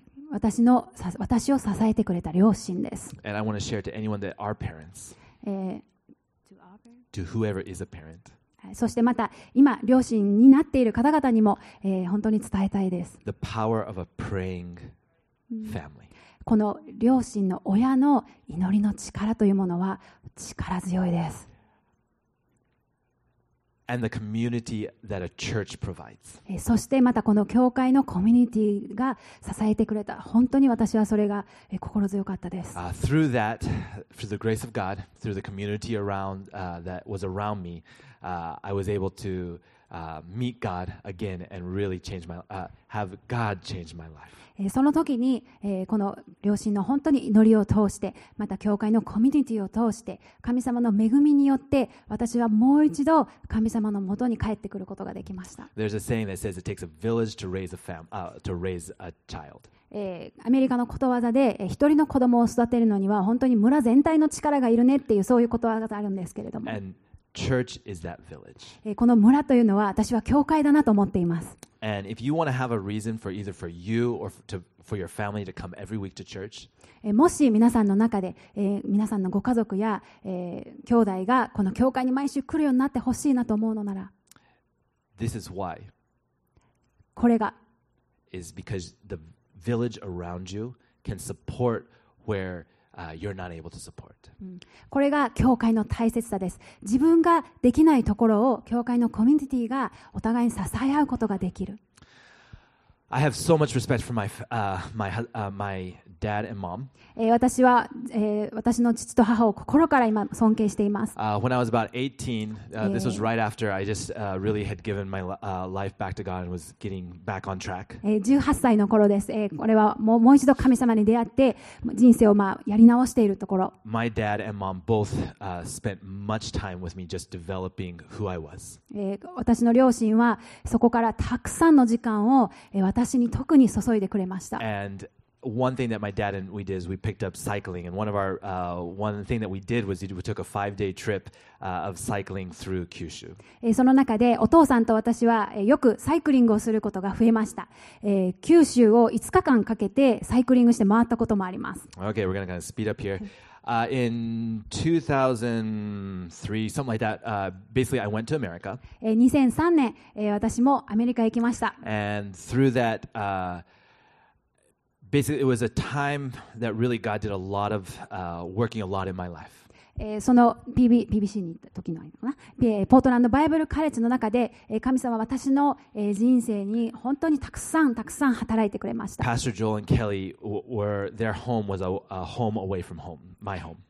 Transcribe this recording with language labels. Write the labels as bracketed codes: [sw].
[ja] 私を支えてくれた両親です。 [en] And I want to share to anyone that are parents, to whoever is a parent. [ja] そしてまた今両親になっている方々にも、本当に伝えたいです。 [en] The power of a praying family. [ja] この両親の親の祈りの力というものは力強いです。 [en] And the community that a church provides. [ja] そしてまたこの教会のコミュニティが支えてくれた、本当に私はそれが心強かったです。 [en] Through that, through the grace of God, through the community around, that was around me, I was able to, meet God again and really change my, have God change my life. [ja] その時に、この両親の本当に祈りを通して、また教会のコミュニティを通して、神様の恵みによって、私はもう一度神様のもとに帰ってくることができました。 [en] There's a saying that says it takes a village to raise a family, to raise a child. [ja] アメリカのことわざで、一人の子供を育てるのには本当に村全体の力がいるねっていう、そういうことわざがあるんですけれども。 [en] And church is that village. [ja] この村というのは私は教会だなと思っています。 [en] And if you want to have a reason for either for you or to, for your family to come every week to church, [ja] もし皆さんの中で、皆さんのご家族や、兄弟がこの教会に毎週来るようになってほしいなと思うのなら、 [en] This is why. [ja] これが [en] is because the village around you can support where, you're not able to support. [ja] これが教会の大切さです。自分ができないところを教会のコミュニティがお互いに支え合うことができる。 [en] I have so much respect for my, my dad and mom. [ja] 私は、私の父と母を心から今尊敬しています。 [en] When I was about 18, this was right after I just, really had given my, life back to God and was getting back on track. [ja] 18歳の頃です。これはもう一度神様に出会って人生をまあやり直しているところ。 [en] My dad and mom both, spent much time with me just developing who I was. [ja] 私の両親はそこからたくさんの時間を私に特に注いでくれました。 [en] And one thing that my dad and we did is we picked up cycling. And one of our, one thing that we did was we took a 5-day trip, of cycling through Kyushu. [ja] その中でお父さんと私はよくサイクリングをすることが増えました。九州を5日間かけてサイクリングして回ったこともあります。 [en] Okay, we're gonna kind of speed up here. In 2003, something like that, basically I went to America. [ja] 2003年、私もアメリカへ行きました。 [en] And through that, basically it was a time that really God did a lot of, working a lot in my life. [ja] その PBC に行った時のあれかな、ポートランドバイブルカレッジの中で、神様は私の、人生に本当にたくさんたくさん働いてくれました。 [en] Pastor Joel and Kelly were, their home was a home away from home, my home.